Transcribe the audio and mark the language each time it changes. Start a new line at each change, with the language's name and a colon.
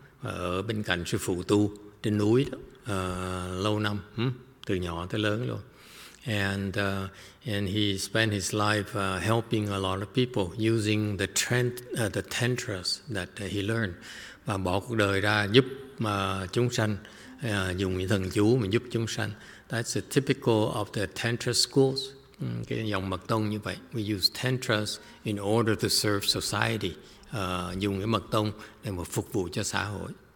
Vietnamese: Ở bên cạnh sư phụ tu trên núi đó, lâu năm, từ nhỏ tới lớn luôn.
English: And he spent his life helping a lot of people using the tantras that he learned.
Vietnamese: Và bỏ cuộc đời ra giúp mà chúng sanh, dùng những thần chú mà giúp chúng sanh.
English: That's the typical of the tantra schools,
Vietnamese: cái dòng mật tông như vậy.
English: We use tantras in order to serve society,
Vietnamese: dùng cái mật tông để mà phục vụ cho xã hội.